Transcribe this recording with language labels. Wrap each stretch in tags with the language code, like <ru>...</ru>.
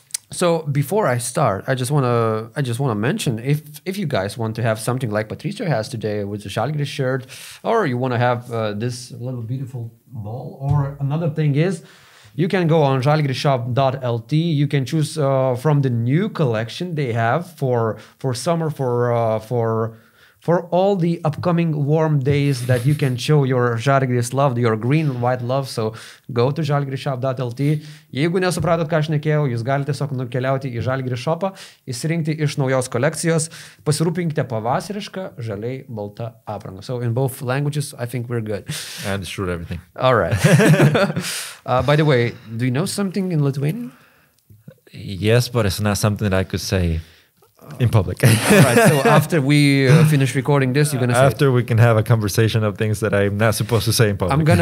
<en>So before I start, I just want to mention, if you guys want to have something like Patricio has today with the Žalgiris shirt, or you want to have this little beautiful ball, or another thing is, you can go on žalgirisshop.lt. You can choose from the new collection they have for summer, for all the upcoming warm days, that you can show your Žalgiris love, your green and white love. So go to žalgirisshop.lt.</en> <lt>Jeigu nesupratot, ką aš nekėjau, jūs galite tiesiog nukeliauti į Žalgiris šopą, įsirinkti iš naujos kolekcijos, pasirūpinkite pavasarišką žaliai baltą aprangą.</lt> <en>So in both languages, I think we're good. And it's true everything. All right. By the way, do you know something in Lithuanian? Yes, but it's not something that I could say in public. Right, so after we finish recording this, you're gonna say after it. We can have a conversation of things that I'm not supposed to say in public.</en>